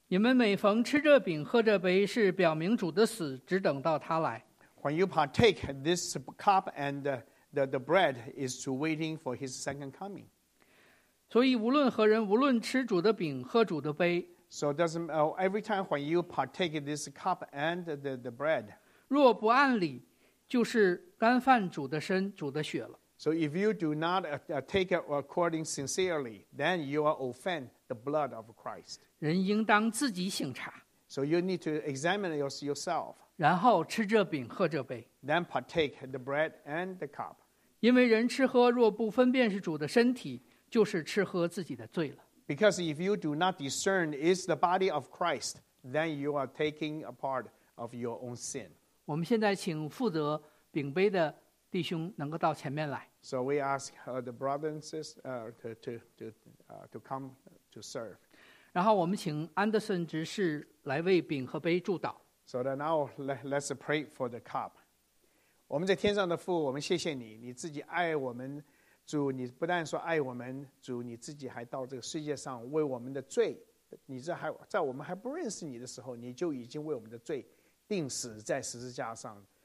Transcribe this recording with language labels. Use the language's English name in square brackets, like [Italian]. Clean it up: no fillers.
[Chinese] 你们每逢吃这饼喝这杯是表明主的死只等到他来 [English] When you partake this cup and the bread is to waiting for his second coming. [Chinese] 所以无论何人无论吃主的饼喝主的杯 [English] So doesn't every time when you partake this cup and the bread [Chinese] 若不按理就是干犯主的身主的血了 [English] So if you do not take it according sincerely then you are offend the blood of Christ. [Chinese] 人应当自己省察 [English] So you need to examine yourself. [Chinese] 然后吃这饼喝这杯 [English] Then partake the bread and the cup. [Chinese] 因为人吃喝若不分辨是主的身体，就是吃喝自己的罪了。 [English] Because if you do not discern is the body of Christ, then you are taking a part of your own sin. [Chinese] 我们现在请负责饼杯的弟兄能够到前面来。 [English] So we ask the brothers and sisters to come to serve. [Chinese] 然后我们请安德森执事来为饼和杯祝祷。 [English] So now let's pray for the cup. [Chinese] 我们在天上的父，我们谢谢你，你自己爱我们，主，你不但说爱我们，主，你自己还到这个世界上为我们的罪，你这还在我们还不认识你的时候，你就已经为我们的罪定死在十字架上。